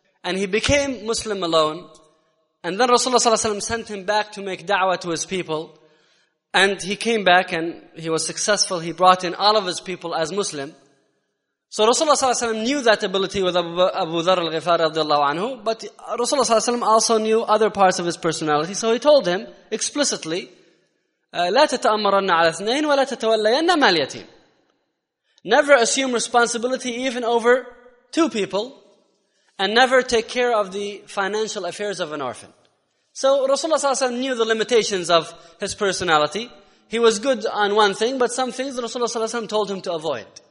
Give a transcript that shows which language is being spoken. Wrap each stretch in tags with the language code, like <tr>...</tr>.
<en>And he became Muslim alone. And then Rasulullah sallallahu alayhi wa sallam sent him back to make da'wah to his people. And he came back and he was successful. He brought in all of his people as Muslim. So Rasulullah sallallahu alayhi wa sallam knew that ability with Abu Dharr al-Ghifari radiallahu anhu. But Rasulullah sallallahu alayhi wa sallam also knew other parts of his personality. So he told him explicitly,</en> <ar>لا تتأمرن على اثنين ولا تتولين مال يتيم.</ar> <en>Never assume responsibility even over two people. And never take care of the financial affairs of an orphan. So Rasulullah sallallahu alayhi wa knew the limitations of his personality. He was good on one thing, but some things Rasulullah sallallahu alayhi wa told him to avoid.</en>